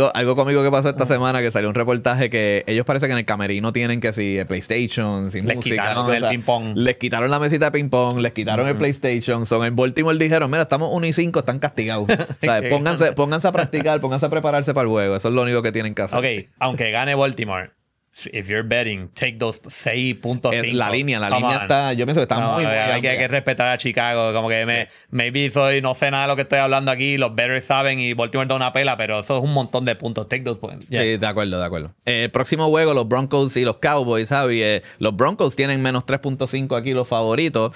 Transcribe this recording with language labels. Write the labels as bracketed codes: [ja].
[es] Algo conmigo que pasó esta semana, que salió un reportaje que ellos parece que en el camerino tienen que el PlayStation, sin les música. Les quitaron el ping-pong. Les quitaron la mesita de ping-pong, les quitaron el PlayStation. Son en Baltimore, dijeron, mira, estamos 1-5, están castigados. O sea, pónganse a practicar, pónganse a prepararse para el juego. Eso es lo único que tienen que hacer. Ok, aunque gane Baltimore, [en] if you're betting, take those 6.5. [es] La línea está, yo pienso que está hay que respetar a Chicago, como que maybe soy, no sé nada de lo que estoy hablando aquí, los bettors saben y Baltimore da una pela, pero eso es un montón de puntos, [en] take those points. [es] Yeah. Sí, de acuerdo. Próximo juego, los Broncos y los Cowboys, ¿sabes? Los Broncos tienen menos 3.5 aquí los favoritos.